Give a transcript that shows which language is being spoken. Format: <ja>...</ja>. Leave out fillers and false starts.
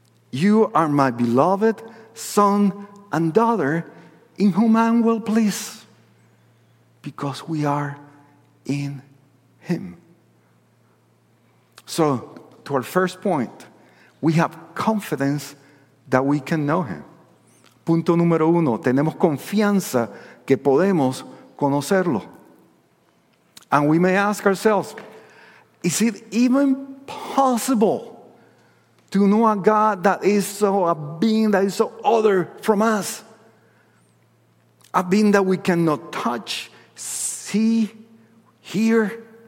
<en>"You are my beloved son and daughter in whom I am well pleased," because we are in Him. So, to our first point, we have confidence that we can know Him.</en> <es>Punto número uno, tenemos confianza que podemos conocerlo.</es> <en>And we may ask ourselves, is it even possible to know a God that is so, a being that is so other from us? A being that we cannot touch, see, hear?</en>